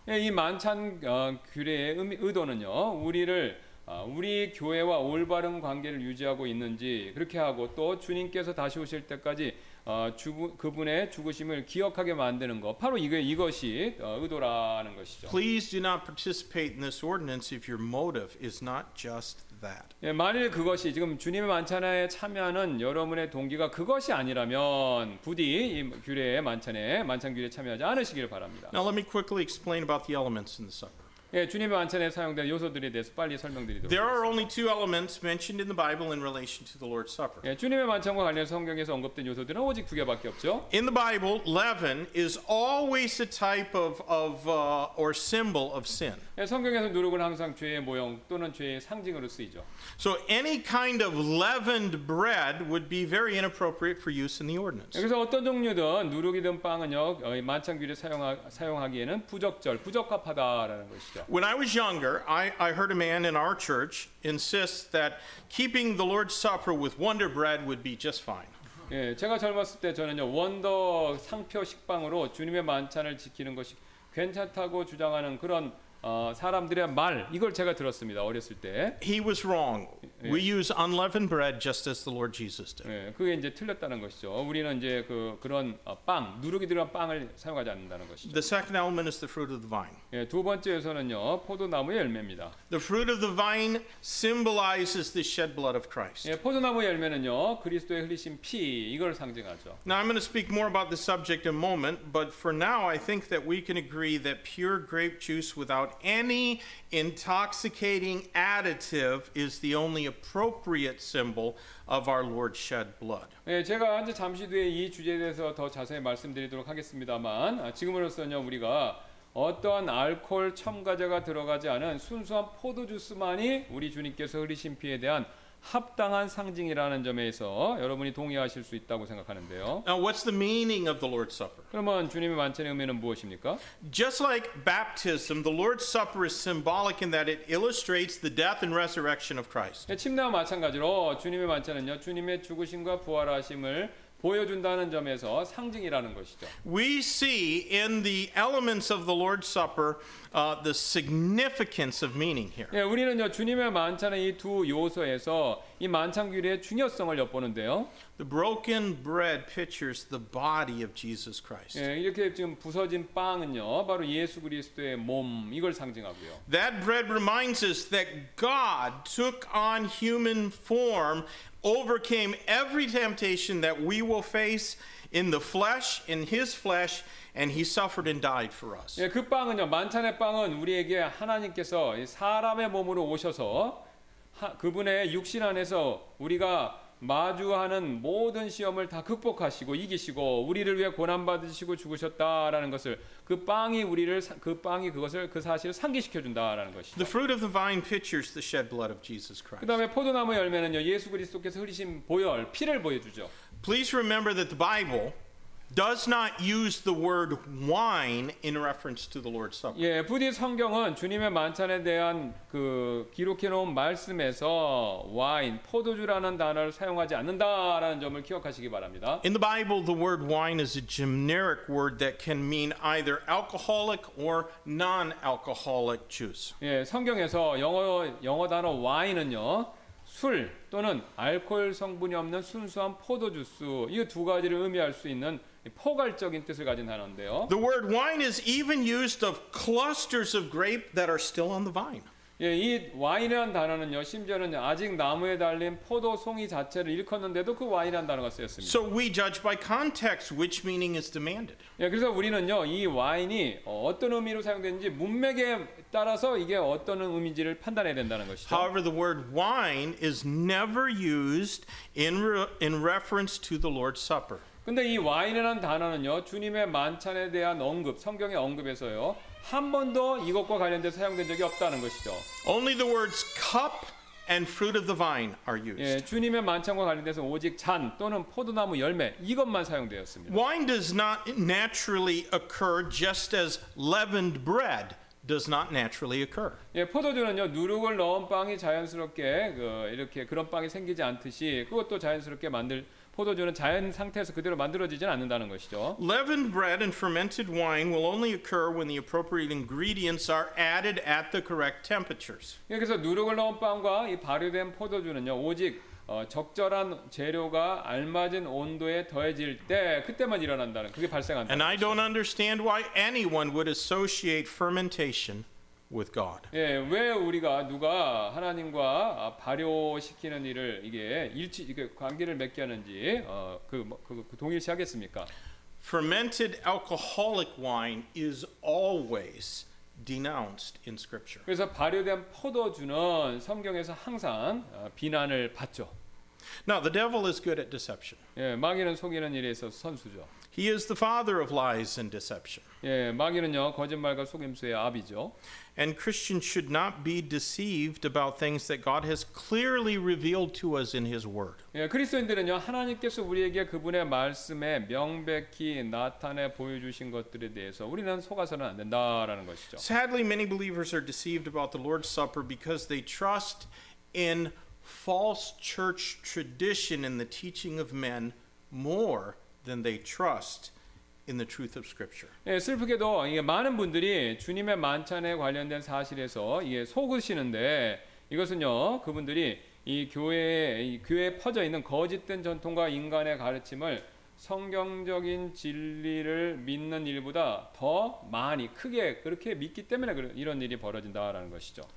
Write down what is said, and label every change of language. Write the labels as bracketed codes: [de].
[ko] 예, 이 만찬 규례의 의도는요, 우리를 우리 교회와 올바른 관계를 유지하고 있는지 그렇게 하고 또 주님께서 다시 오실 때까지 그분의 죽으심을 기억하게 만드는 것 바로 이것이 의도라는 것이죠. [en] Please do not participate in this ordinance if your motive is not just that. [ko] 예, 만일 그것이 지금 주님의 만찬에 참여하는 여러분의 동기가 그것이 아니라면 부디 이 규례의 만찬 규례에 참여하지 않으시기를 바랍니다. [en] Now let me quickly explain about the elements in the supper. [ko] 예, 주님의 만찬에 사용된 요소들에 대해서 빨리 설명드리도록 [en] There are only two elements mentioned in the Bible in relation to the Lord's Supper. [ko] 예, 주님의 만찬과 관련 성경에서 언급된 요소들은 오직 두 개밖에 없죠. [en] In the Bible, leaven is always a type of or symbol of sin. [ko] 예, 성경에서 누룩은 항상 죄의 모형 또는 죄의 상징으로 쓰이죠. [en] So any kind of leavened bread would be very inappropriate for use in the ordinance. [ko] 예, 그래서 어떤 종류든 누룩이든 빵은요, 만찬 규례 사용하기에는 부적합하다라는 것이죠. [en] When I was younger, I heard a man in our church insist that keeping the Lord's Supper with Wonder Bread would be just fine. [ko] 예, 제가 젊었을 때 저는요 원더 상표 식빵으로 주님의 만찬을 지키는 것이 괜찮다고 주장하는 그런 사람들의 말 이걸 제가 들었습니다 어렸을 때. [en] He was wrong. We use unleavened bread just as the Lord Jesus did. [ko] 예, 그게 이제 틀렸다는 것이죠. 우리는 이제 그런 빵 누룩이 들어간 빵을 사용하지 않는다는 것이죠. [en] The second element is the fruit of the vine. [ko] 예, 두 번째에서는요 포도나무의 열매입니다. [en] The fruit of the vine symbolizes the shed blood of Christ. [ko] 예, 포도나무 열매는요 그리스도의 흘리신 피 이걸 상징하죠. [en] Now I'm going to speak more about the subject in a moment, but for now I think that we can agree that pure grape juice without any intoxicating additive is the only appropriate symbol of our Lord's shed blood. [ko] 예, 제가 이제 잠시 뒤에 이 주제에 대해서 더 자세히 말씀드리도록 하겠습니다만, 지금으로서는요 우리가 어떠한 알코올 첨가제가 들어가지 않은 순수한 포도 주스만이 우리 주님께서 흘리신 피에 대한 합당한 상징이라는 점에서 여러분이 동의하실 수 있다고 생각하는데요. [en] Now, what's the meaning of the Lord's Supper? [ko] 그러면 주님의 만찬의 의미는 무엇입니까? [en] Just like baptism, the Lord's Supper is symbolic in that it illustrates the death and resurrection of Christ. [ko] 침례와 마찬가지로 주님의 만찬은요, 주님의 죽으심과 부활하심을 보여준다는 점에서 상징이라는 것이죠. [en] We see in the elements of the Lord's Supper the significance of meaning here. [ko] 예, 우리는요 주님의 만찬의 이 두 요소에서 이 만찬 규례의 중요성을 엿보는데요. [en] The broken bread pictures the body of Jesus Christ. [ko] 예, 이렇게 지금 부서진 빵은요 바로 예수 그리스도의 몸 이걸 상징하고요. [en] That bread reminds us that God took on human form. Overcame every temptation that we will face in the flesh, in His flesh, and He suffered and died for us. [ko] 예, 그 빵은요, 만찬의 빵은 우리에게 하나님께서 사람의 몸으로 오셔서 그분의 육신 안에서 우리가 마주하는 모든 시험을 다 극복하시고 이기시고 우리를 위해 고난 받으시고 죽으셨다라는 것을 그 빵이 그것을 그 사실을 상기시켜 준다라는 것이죠. [en] The fruit of the vine pictures the shed blood of Jesus Christ. [ko] 그다음에 포도나무 열매는요 예수 그리스도께서 흘리신 보혈 피를 보여주죠. [en] Please remember that the Bible does not use the word wine in reference to the Lord's Supper. [ko] 예, 부디 성경은 주님의 만찬에 대한 그 기록해 놓은 말씀에서 와인, 포도주라는 단어를 사용하지 않는다라는 점을 기억하시기 바랍니다. [en] In the Bible, the word wine is a generic word that can mean either alcoholic or non-alcoholic juice. [ko] 예, 성경에서 영어 단어 와인은요. 술 또는 알코올 성분이 없는 순수한 포도 주스 이 두 가지를 의미할 수 있는 포괄적인 뜻을 가진 단어인데요. [en] The word wine is even used of clusters of grape that are still on the vine. [ko] 예, 이 와인이라는 단어는요, 심지어는 아직 나무에 달린 포도 송이 자체를 일컫는데도 그 와인이라는 단어가 쓰였습니다. [en] So we judge by context which meaning is demanded. [ko] 예, 그래서 우리는요, 이 와인이 어떤 의미로 사용되는지 문맥에 따라서 이게 어떤 의미인지를 판단해야 된다는 것이죠. [en] However, the word wine is never used in reference to the Lord's Supper. [ko] 근데 이 와인이라는 단어는요, 주님의 만찬에 대한 언급, 성경의 언급에서요, 한 번도 이것과 관련돼서 사용된 적이 없다는 것이죠. [en] Only the words cup and fruit of the vine are used. [ko] 예, 주님의 만찬과 관련돼서 오직 잔 또는 포도나무 열매 이것만 사용되었습니다. [en] Wine does not naturally occur just as leavened bread does not naturally occur. [ko] 예, 포도주는요 누룩을 넣은 빵이 자연스럽게 그 이렇게 그런 빵이 생기지 않듯이 그것도 자연스럽게 만들 포도주는 자연 상태에서 그대로 만들어지진 않는다는 것이죠. [en] Leavened bread and fermented wine will only occur when the appropriate ingredients are added at the correct temperatures. [ko] 그래서 누룩을 넣은 빵과 이 발효된 포도주는요, 오직 적절한 재료가 알맞은 온도에 더해질 때 그때만 일어난다는 그게 발생한다. [en] And I don't understand why anyone would associate fermentation with God. [ko] 예, 왜 우리가 누가 하나님과 발효시키는 일을 이게 일치 이게 관계를 맺게 하는지 그 동일시하겠습니까? [en] Fermented alcoholic wine is always denounced in scripture. [ko] 그래서 발효된 포도주는 성경에서 항상 비난을 받죠. [en] Now the devil is good at deception. [ko] 예, 마귀는 속이는 일에 있어서 선수죠. [en] He is the father of lies and deception. [ko] 예, 마귀는요, 거짓말과 속임수의 아비죠. [en] And Christians should not be deceived about things that God has clearly revealed to us in His Word. [ko] 예, 그리스도인들은요, 하나님께서 우리에게 그분의 말씀에 명백히 나타내 보여주신 것들에 대해서 우리는 속아서는 안 된다라는 것이죠. [en] Sadly, many believers are deceived about the Lord's Supper because they trust in false church tradition and the teaching of men more than they trust in the truth of Scripture. [ko] 예, 슬프게도 이게 많은 분들이 주님의 만찬에 관련된 사실에서 이게 속으시는데 이것은요 그분들이 이 교회에 퍼져 있는 거짓된 전통과 인간의 가르침을 성경적인 진리를 믿는 일보다 더 많이 크게 그렇게 믿기 때문에 이런 일이 벌어진다라는 것이죠.